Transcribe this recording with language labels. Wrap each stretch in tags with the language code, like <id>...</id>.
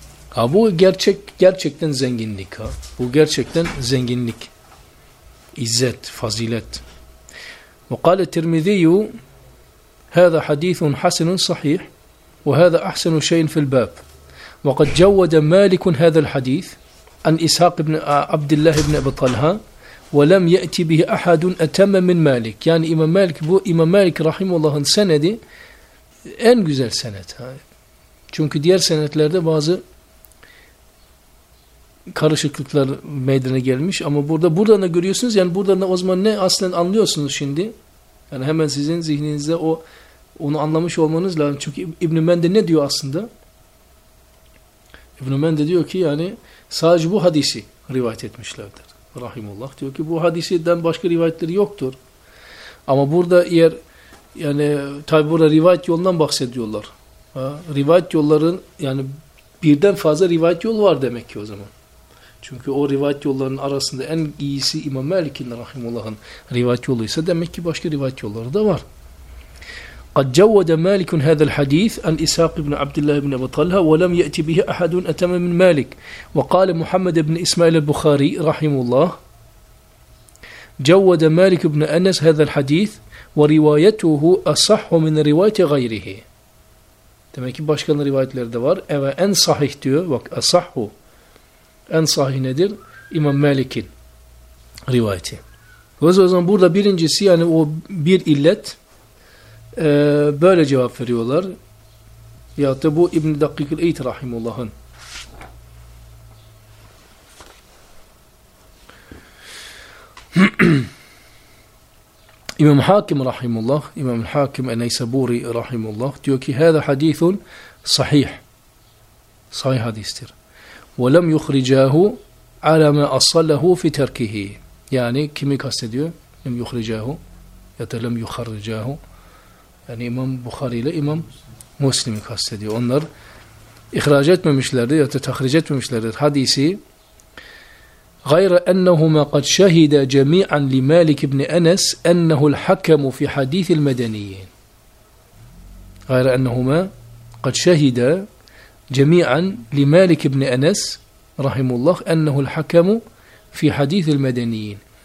<tr>Ha bu gerçekten zenginlik ha. Bu gerçekten zenginlik.</tr> <ar>İzzet, fazilet. Ve kâle Tirmizîyu hâzâ hadîsun hasenun sahîh ve hâzâ ahsenu şeyin fil bâb. Ve kad cevvede Mâlikun hâzâl hadîs أن إسحاق بن عبد الله بن أبي طلحة ولم يأتي به أحد أتم من مالك يعني إمام مالك بو إمام مالك رحمه الله سندي</ar> <tr>en güzel senet. Çünkü diğer senetlerde bazı karışıklıklar meydana gelmiş ama buradan da görüyorsunuz, yani buradan da o zaman ne aslen anlıyorsunuz şimdi? Yani hemen sizin zihninizde onu anlamış olmanız lazım. Çünkü İbn-i Mende ne diyor aslında? İbn-i Mende diyor ki yani sadece bu hadisi rivayet etmişlerdir. Rahimullah diyor ki bu hadisinden başka rivayetleri yoktur. Ama burada eğer yani tabi burada rivayet yolundan bahsediyorlar. Ha, rivayet yolların yani birden fazla rivayet yolu var demek ki o zaman. Çünkü o rivayet yollarının arasında en iyisi İmam Malik'in rahimullah'ın rivayet yoluysa demek ki başka rivayet yolları da var.</tr> <ar>قد جود مالك هذا الحديث عن إسحاق بن عبد الله بن أبي طلحة ولم يأتي به أحد أتم من مالك وقال محمد بن إسماعيل البخاري رحمه الله جود مالك بن أنس هذا الحديث وروايته أصح من رواية غيره.</ar> <tr>Demek ki başka rivayetler de var. Evet, en sahih diyor. Bak, أصحه. En sahih nedir? İmam Malik'in rivayeti. O zaman burada birincisi yani o bir illet. Böyle cevap veriyorlar. Ya da bu İbn-i Dakkik-ül Eyt Rahimullah'ın. İmam Hakim Rahimullah, İmam Hakim Enneysaburi Rahimullah diyor ki</tr> <ar>هذا حديث</ar> <tr>sahih. Sahih hadistir.</tr> <ar>وَلَمْ يُخْرِجَاهُ عَلَى مَا أَصَّلَّهُ فِي تَرْكِهِ.</ar> <tr>Yani kimi kastediyor?</tr> <ar>لَمْ يُخْرِجَاهُ ya da لَمْ يُخَرِّجَاهُ.</ar> <tr>Yani İmam Bukhari ile İmam Müslim'i kastediyor. Onlar ihraç etmemişlerdir ya da tahric etmemişlerdir hadisi.</tr> <ar>غَيْرَ أَنَّهُمَا قَدْ شَهِدَ جَمِيعًا لِمَالِكِ بْنِ أَنَسْ أَنَّهُ الْحَكَمُ فِي حَدِيثِ الْمَدَنِيِّينَ غَيْرَ أَنَّهُمَا قَدْ شَهِدَ جَمِيعًا لِمَالِكِ بْنِ أَنَسْ رَحِمُ اللَّهُ أَنَّهُ الْحَكَمُ فِي حَدِيثِ الْمَدَنِيِّينَ.</ar>